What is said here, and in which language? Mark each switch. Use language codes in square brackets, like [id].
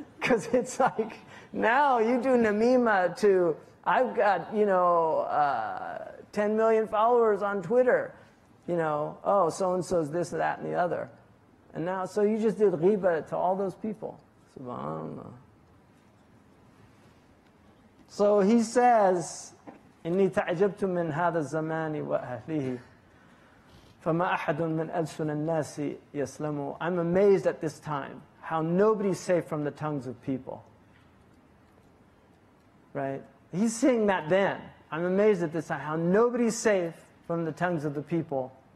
[en] Because it's like, now you do namima to... I've got, you know... 10 million followers on Twitter, you know, oh, so-and-so's this, that, and the other. And now, so you just did ghiba to all those people. SubhanAllah. So he says, [ar] إِنِّي تَعْجَبْتُ مِنْ هَذَا الزَّمَانِ وَأَهْلِهِ فَمَا أَحَدٌ مِنْ أَلْسُنَ النَّاسِ يَسْلَمُ. [en] I'm amazed at this time, how nobody's safe from the tongues of people. Right? He's saying that then. I'm amazed at this, how nobody's safe from the tongues of the people.